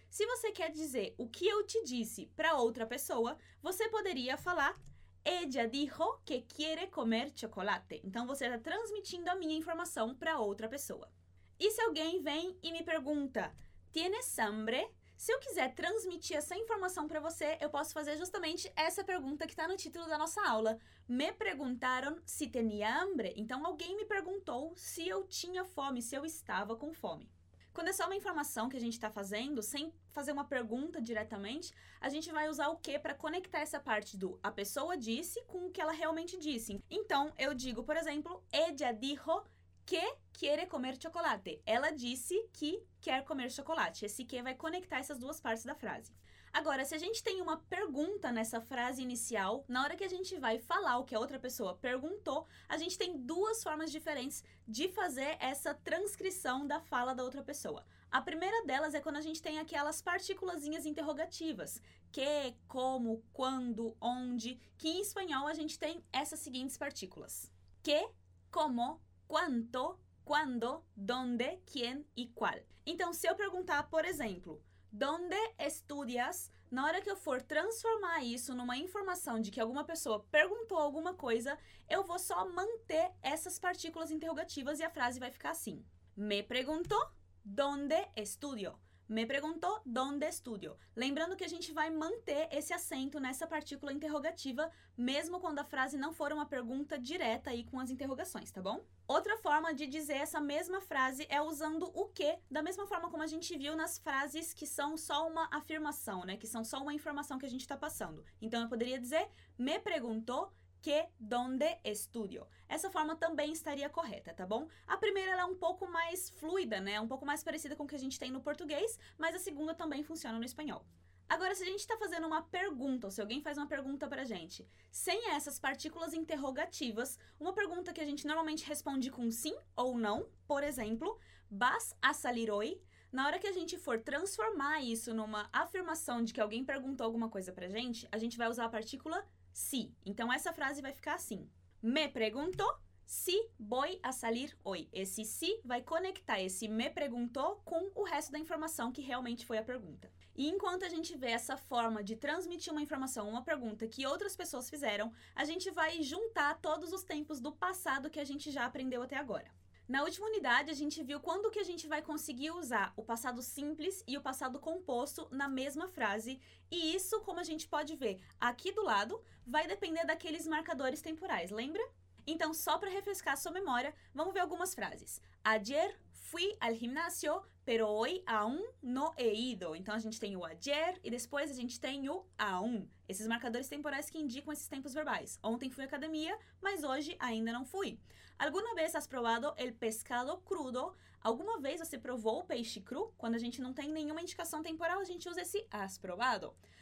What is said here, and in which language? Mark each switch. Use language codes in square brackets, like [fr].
[pt] Se você quer dizer o que eu te disse para outra pessoa, você poderia falar, [es] ella dijo que quiere comer chocolate. [pt] Então, você está transmitindo a minha informação para outra pessoa. E se alguém vem e me pergunta, [es] ¿tienes hambre? [pt] Se eu quiser transmitir essa informação para você, eu posso fazer justamente essa pergunta que está no título da nossa aula. Me perguntaram [es] si tenía hambre. [pt] Então, alguém me perguntou se eu tinha fome, se eu estava com fome. Quando é só uma informação que a gente está fazendo, sem fazer uma pergunta diretamente, a gente vai usar o que para conectar essa parte do a pessoa disse com o que ela realmente disse. Então, eu digo, por exemplo, [es] ella dijo que quiere comer chocolate. [pt] Ela disse que quer comer chocolate. Esse que vai conectar essas duas partes da frase. Agora, se a gente tem uma pergunta nessa frase inicial, na hora que a gente vai falar o que a outra pessoa perguntou, a gente tem duas formas diferentes de fazer essa transcrição da fala da outra pessoa. A primeira delas é quando a gente tem aquelas partículazinhas interrogativas. Que, como, quando, onde, que em espanhol a gente tem essas seguintes partículas. [es] Que, como, quanto, quando, donde, quién y cuál. [pt] Então, se eu perguntar, por exemplo, [es] ¿dónde estudias? [pt] Na hora que eu for transformar isso numa informação de que alguma pessoa perguntou alguma coisa, eu vou só manter essas partículas interrogativas e a frase vai ficar assim. [es] Me preguntó, ¿dónde estudio? Me preguntó, ¿dónde estudio? [pt] Lembrando que a gente vai manter esse acento nessa partícula interrogativa, mesmo quando a frase não for uma pergunta direta aí com as interrogações, tá bom? Outra forma de dizer essa mesma frase é usando o que, da mesma forma como a gente viu nas frases que são só uma afirmação, né? Que são só uma informação que a gente está passando. Então, eu poderia dizer, me perguntou que [es] donde estudio. [pt] Essa forma também estaria correta, tá bom? A primeira ela é um pouco mais fluida, né? Um pouco mais parecida com o que a gente tem no português, mas a segunda também funciona no espanhol. Agora, se a gente está fazendo uma pergunta, ou se alguém faz uma pergunta para a gente, sem essas partículas interrogativas, uma pergunta que a gente normalmente responde com sim ou não, por exemplo, [es] ¿vas a salir hoy? [pt] Na hora que a gente for transformar isso numa afirmação de que alguém perguntou alguma coisa para a gente vai usar a partícula si. Então, essa frase vai ficar assim. [es] Me preguntó si voy a salir hoy. [pt] Esse si vai conectar esse me preguntou com o resto da informação que realmente foi a pergunta. E enquanto a gente vê essa forma de transmitir uma informação, uma pergunta que outras pessoas fizeram, a gente vai juntar todos os tempos do passado que a gente já aprendeu até agora. Na última unidade, a gente viu quando que a gente vai conseguir usar o passado simples e o passado composto na mesma frase. E isso, como a gente pode ver aqui do lado, vai depender daqueles marcadores temporais, lembra? Então, só para refrescar a sua memória, vamos ver algumas frases. [es] Ayer fui al gimnasio, pero hoy aún no he ido. [pt] Então, a gente tem o ayer e depois a gente tem o aún. Esses marcadores temporais que indicam esses tempos verbais. Ontem fui à academia, mas hoje ainda não fui. [es] Alguna vez has probado el pescado crudo? [pt] Alguma vez você provou o peixe cru? Quando a gente não tem nenhuma indicação temporal, a gente usa esse has probado.